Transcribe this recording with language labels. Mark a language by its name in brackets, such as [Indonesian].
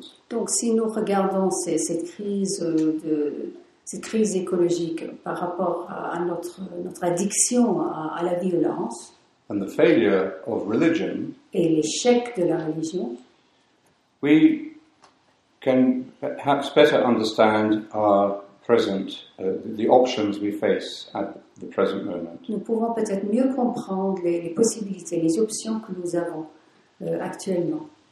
[French] Donc si nous regardons cette crise écologique par rapport à notre addiction à la violence. [English] And the failure of religion, [French] et l'échec de la religion, [English] we can perhaps better understand our present, the options we face at the present moment. [French] Nous pouvons peut-être mieux comprendre les possibilités, les options que nous avons actuellement.